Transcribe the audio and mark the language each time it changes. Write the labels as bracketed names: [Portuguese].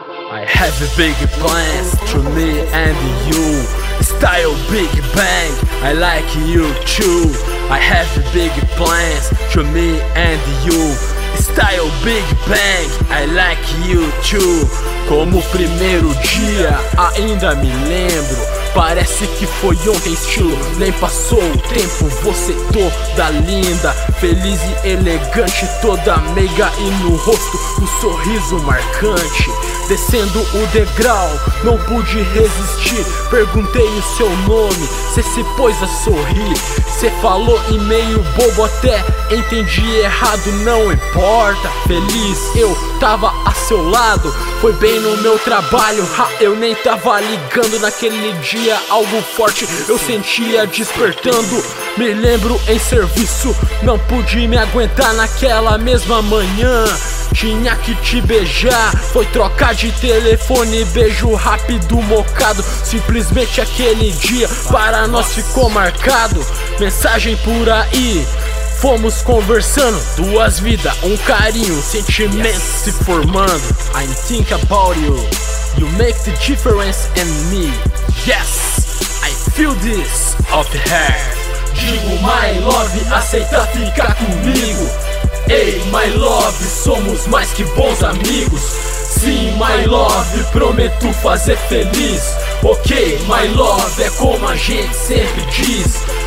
[English] I have big plans to me and you. Style Big Bang, I like you too. I have big plans to me and you. Style Big Bang, I like you too. [Portuguese] Como primeiro dia, ainda me lembro. Parece que foi ontem, estilo, nem passou o tempo. Você toda linda, feliz e elegante. Toda meiga e no rosto, um sorriso marcante. Descendo o degrau, não pude resistir. Perguntei o seu nome, cê se pôs a sorrir. Cê falou e meio bobo até, entendi errado. Não importa, feliz, eu tava a seu lado. Foi bem no meu trabalho, ha, eu nem tava ligando. Naquele dia algo forte eu sentia despertando. Me lembro em serviço, não pude me aguentar. Naquela mesma manhã, tinha que te beijar. Foi trocar de telefone, beijo rápido, mocado. Simplesmente aquele dia, para nós ficou marcado. Mensagem por aí, fomos conversando. Duas vidas, um carinho, sentimento se formando. [English] I think about you, you make the difference in me. Yes, I feel this of her. [Portuguese] Digo [English] my love, [Portuguese] aceita ficar comigo. Ei, [English] my love, [Portuguese] somos mais que bons amigos. Sim, [English] my love, [Portuguese] prometo fazer feliz. Ok, [English] my love, [Portuguese] é como a gente sempre diz.